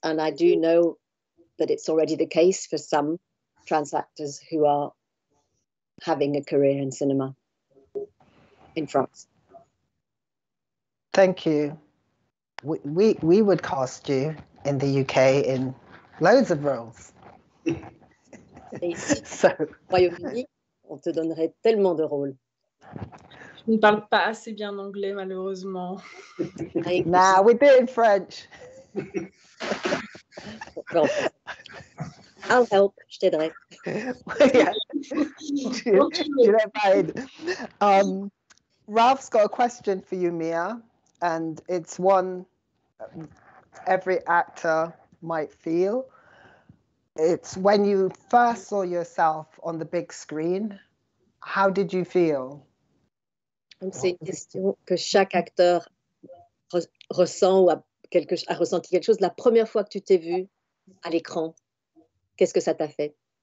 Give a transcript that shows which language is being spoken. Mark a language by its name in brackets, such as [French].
[English] And I do know that it's already the case for some trans actors who are having a career in cinema in France. Thank you. We would cast you in the UK in loads of roles. [French] So, Royaume-Uni, on te donnerait tellement de rôles. Je ne parle pas assez bien anglais, malheureusement. [English] Nah, we do in French. I'll help, [French] je t'aiderai. [English] Yeah. Ralph's got a question for you, Mia, and it's one every actor might feel. It's when you first saw yourself on the big screen, how did you feel? [French] C'est une question que chaque acteur ressent ou a ressenti quelque chose. La première fois que tu t'es vu à l'écran, qu'est-ce que ça t'a fait?